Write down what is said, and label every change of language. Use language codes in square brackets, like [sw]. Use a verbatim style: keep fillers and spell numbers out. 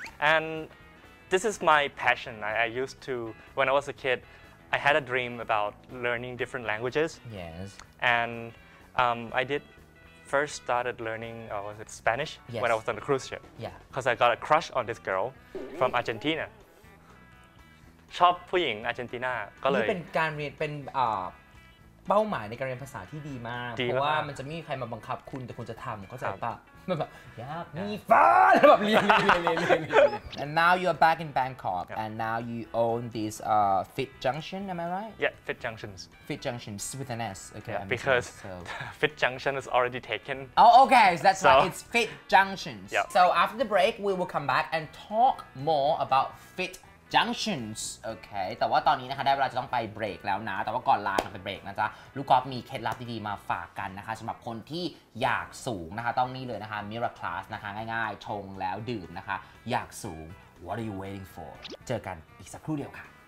[en] And this is my passion. I, I used to, when I was a kid, I had a dream about learning different languages. Yes. And um, I did first started learning, uh, was it Spanish? Yes. When I was on the cruise ship. Yeah. Because I got a crush on this girl from Argentina. [th] ชอบผู้หญิงอาร์เจนตินาก็เลย นี่เป็นการเรียนเป็นเป้าหมายในการเรียนภาษาที่ดีมากเพราะว่ามันจะไม่มีใครมาบังคับคุณแต่คุณจะทำเข้าใจป่ะมันแบบอยากมีฟ้าแบบเรียนๆๆๆ [en] And now you're back in Bangkok and now you own this uh, Fit Junction am I right Yeah Fit Junctions Fit Junctions with an S okay yeah, because Fit Junction is already taken Oh okay so that's why it's Fit Junctions yeah. So after the break we will come back and talk more about Fit Junctions [th] โอเคแต่ว่าตอนนี้นะคะได้เวลาจะต้องไปเบรกแล้วนะแต่ว่าก่อนลาไปเบรกนะจ๊ะลูกกอล์ฟมีเคล็ดลับดีๆมาฝากกันนะคะสำหรับคนที่อยากสูงนะคะต้องนี่เลยนะคะ Mirror Class นะคะง่ายๆชงแล้วดื่มนะคะอยากสูง [en] What are you waiting for [th] เจอกันอีกสักครู่เดียวค่ะ